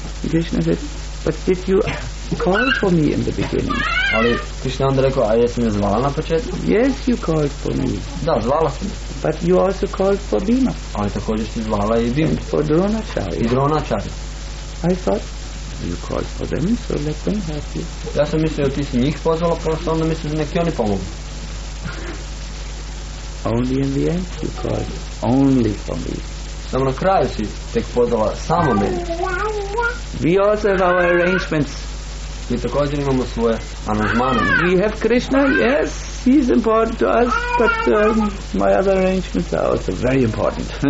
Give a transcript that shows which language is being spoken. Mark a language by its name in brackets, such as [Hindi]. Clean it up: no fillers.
[English] Krishna said, but did you called for me in the beginning. [Croatian] Ali Krishna onda rekao, a jesi me zvala na početku? [English] Yes, you called for me. [Croatian] Da, zvala si me. [English] But you also called for Bhima. [Croatian] Ali također si zvala i Bhima. [English] For Dronacharya. [Croatian] I Dronacharya. [English] I thought, you called for them, so let them help you. [Croatian] Ja sam mislio, ti si njih pozvala, pa onda mislio da neki oni pomogu. [English] Only in the end you called only for me. [Croatian] Samo na kraju si tek pozvala samo meni. [English] We also have our arrangements. [Croatian] Mi također imamo svoje aranžmane. [English] We have Krishna, yes, he's important to us, but my other arrangements are also very important.